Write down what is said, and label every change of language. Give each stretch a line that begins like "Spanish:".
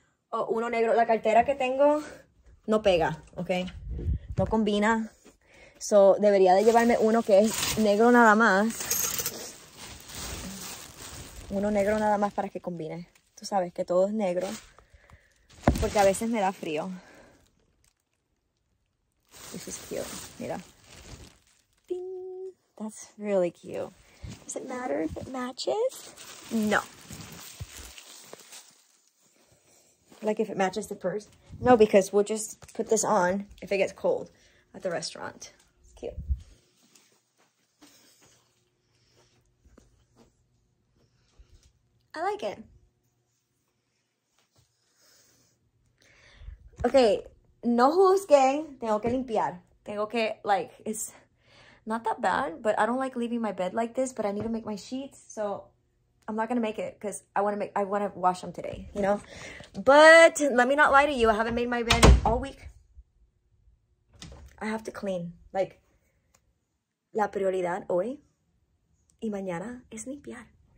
Spanish: O uno negro, la cartera que tengo no pega, ok, no combina, so debería de llevarme uno que es negro nada más, uno negro nada más para que combine, tú sabes que todo es negro, porque a veces me da frío.
English: This is cute, mira, ding, that's really cute. Does it matter if it matches? No. Like, if it matches the purse? No, because we'll just put this on if it gets cold at the restaurant. It's cute. I like it.
Spanish: Okay, no juzguen. Tengo que limpiar. Tengo que,
English: like, it's not that bad, but I don't like leaving my bed like this, but I need to make my sheets, so I'm not gonna make it because I wanna wash them today, you know? But let me not lie to you, I haven't made my bed all week. I have to clean.
Spanish: Like, la prioridad hoy y mañana es limpiar.